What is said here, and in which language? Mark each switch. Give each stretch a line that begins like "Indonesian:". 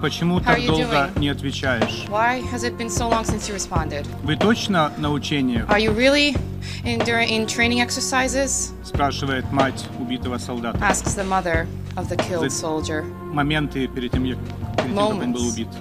Russian: Почему так долго не отвечаешь?
English: Why has it been so long since you responded?
Russian: Вы точно на учениях?
English: Are you really in training exercises?
Russian: Спрашивает мать убитого солдата.
English: Asks the mother of the killed soldier.
Russian: Моменты перед тем, как он был убит.